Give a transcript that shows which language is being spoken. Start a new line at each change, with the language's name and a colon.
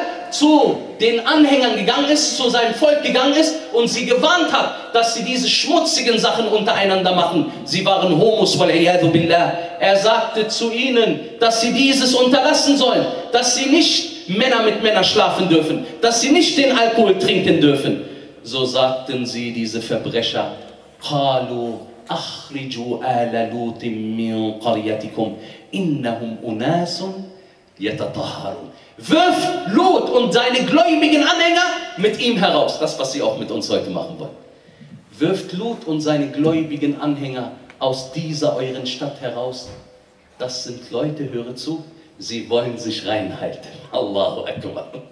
German: zu den Anhängern gegangen ist, zu seinem Volk gegangen ist und sie gewarnt hat, dass sie diese schmutzigen Sachen untereinander machen. Sie waren Homos, wal-iyadu billah. Er sagte zu ihnen, dass sie dieses unterlassen sollen, dass sie nicht Männer mit Männern schlafen dürfen, dass sie nicht den Alkohol trinken dürfen. So sagten sie, diese Verbrecher,
Arabic: قالوا اخرجوا آل لوط من قريتكم انهم اناس يتطهرون.
German: Wirf Lot und seine gläubigen Anhänger mit ihm heraus. Das, was sie auch mit uns heute machen wollen. Wirft Lot und seine gläubigen Anhänger aus dieser euren Stadt heraus. Das sind Leute, höre zu, sie wollen sich reinhalten. Allahu Akbar.